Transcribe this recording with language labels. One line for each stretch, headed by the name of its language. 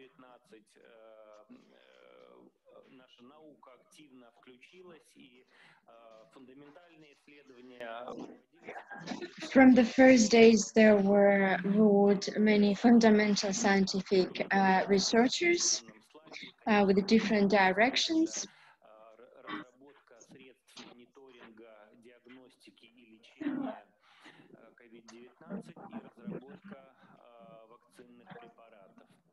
Russian: Наша наука активно включилась и фундаментальные исследования.
English: From the first days, there were involved many fundamental scientific researchers with the different directions.
Russian: Разработка средств мониторинга, диагностики и лечения COVID-19 и разработка вакцинных препаратов.